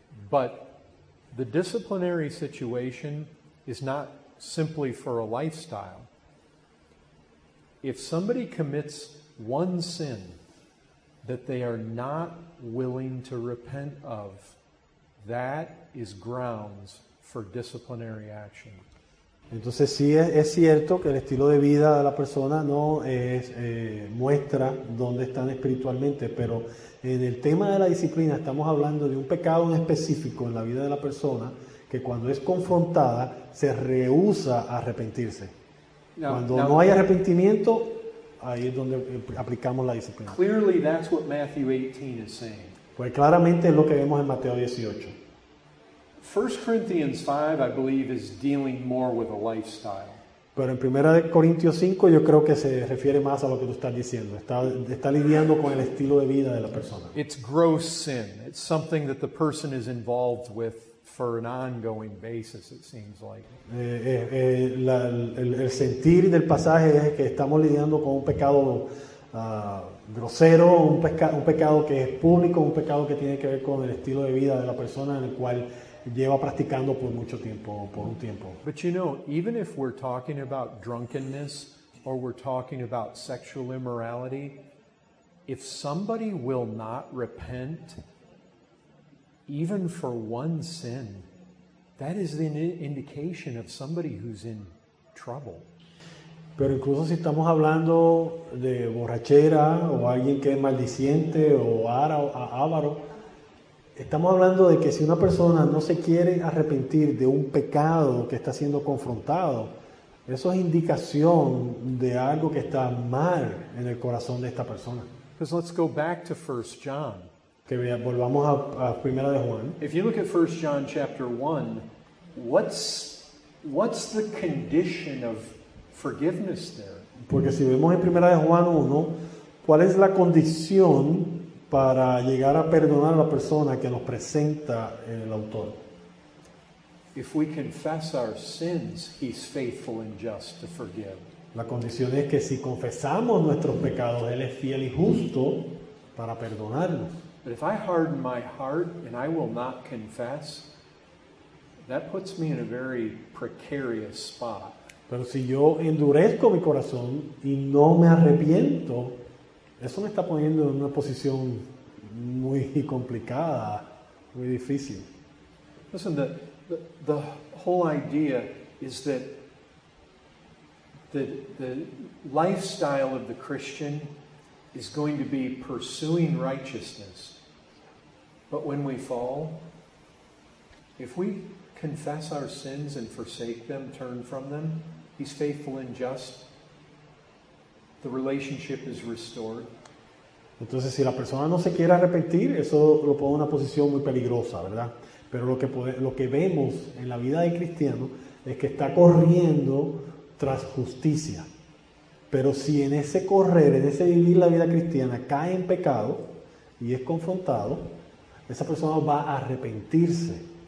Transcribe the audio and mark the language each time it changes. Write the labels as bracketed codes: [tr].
[en] But the disciplinary situation is not simply for a lifestyle. If somebody commits one sin that they are not willing to repent of, that is grounds for disciplinary action. [es] Entonces sí es cierto que el estilo de vida de la persona no es, muestra dónde están espiritualmente, pero en el tema de la disciplina estamos hablando de un pecado en específico en la vida de la persona que cuando es confrontada se rehúsa a arrepentirse. No hay arrepentimiento, ahí es donde aplicamos la disciplina. [en] Clearly that's what Matthew 18 is saying. [es] Pues claramente es lo que vemos en Mateo 18. [en] 1 Corinthians 5, I believe, is dealing more with a lifestyle. [es] Pero en 1 Corintios 5 yo creo que se refiere más a lo que tú estás diciendo. Está lidiando con el estilo de vida de la persona. [en] It's gross sin. It's something that the person is involved with for an ongoing basis, it seems like. [es] El sentir del pasaje es que estamos lidiando con un pecado grosero, un pecado que es público, un pecado que tiene que ver con el estilo de vida de la persona en el cual lleva practicando por mucho tiempo, por un tiempo. [en] But you know, even if we're talking about drunkenness or we're talking about sexual immorality, if somebody will not repent even for one sin, that is an indication of somebody who's in trouble. [es] Pero incluso si estamos hablando de borrachera o alguien que es maldiciente o avaro, estamos hablando de que si una persona no se quiere arrepentir de un pecado que está siendo confrontado, eso es indicación de algo que está mal en el corazón de esta persona. [en] Because let's go back to 1 John. [es] Que volvamos a Primera de Juan. [en] If you look at 1 John chapter 1, what's the condition of forgiveness there? [es] Porque si vemos en Primera de Juan 1, ¿cuál es la condición para llegar a perdonar a la persona que nos presenta el autor? [en] If we confess our sins, he's faithful and just to forgive. [es] La condición es que si confesamos nuestros pecados, él es fiel y justo para perdonarnos. [en] But if I harden my heart and I will not confess, that puts me in a very precarious spot. [es] Pero si yo endurezco mi corazón y no me arrepiento, eso me está poniendo en una posición muy complicada, muy difícil. [en] Listen, the whole idea is that the lifestyle of the Christian is going to be pursuing righteousness. But when we fall, if we confess our sins and forsake them, turn from them, he's faithful and just. The relationship is restored. [es] Entonces, si la persona no se quiere arrepentir, eso lo pone en una posición muy peligrosa, ¿verdad? Pero lo que vemos en la vida del cristiano es que está corriendo tras justicia. Pero si en ese correr, en ese vivir la vida cristiana, cae en pecado y es confrontado, esa persona va a arrepentirse.